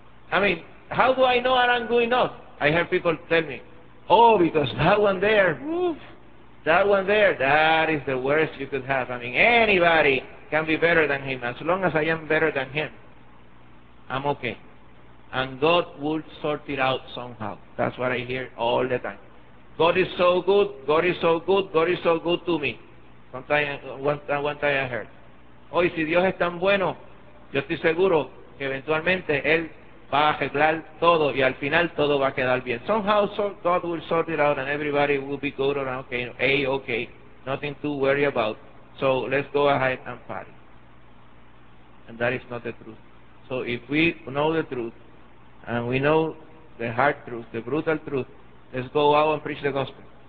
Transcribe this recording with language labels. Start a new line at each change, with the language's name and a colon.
English: I mean, how do I know that I'm good enough? I heard people tell me, oh, because that one there, that one there, that is the worst you could have. I mean, anybody can be better than him. As long as I am better than him, I'm okay. And God will sort it out somehow. That's what I hear all the time. God is so good, God is so good, God is so good to me. One time I heard.
Spanish: Hoy, si Dios es tan bueno, yo estoy seguro que eventualmente Él va a arreglar todo y al final todo va a quedar bien.
English: Somehow God will sort it out and everybody will be good or okay. A-okay. Nothing to worry about. So let's go ahead and party. And that is not the truth. So if we know the truth, and we know the hard truth, the brutal truth, let's go out and preach the gospel.